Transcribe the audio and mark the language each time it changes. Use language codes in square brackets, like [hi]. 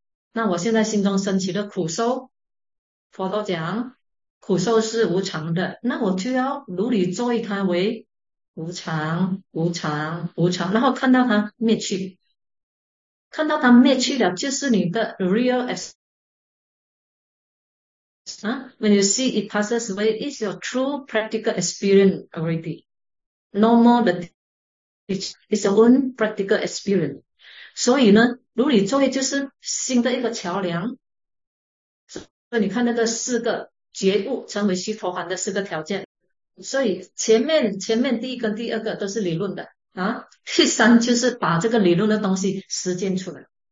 [zh] 那我现在心中升起了苦受，佛陀讲苦受是无常的，那我就要如理作意它为无常，无常，无常，然后看到它灭去，看到它灭去了，就是你的 [en] real as。 When you see it passes away, it's your true practical experience already. No more the teacher, it's your own practical experience. [zh] 所以呢，如理作意就是心的一个桥梁。所以你看那个四个觉悟成为须陀洹的四个条件。所以前面第一跟第二个都是理论的啊，第三就是把这个理论的东西实践出来。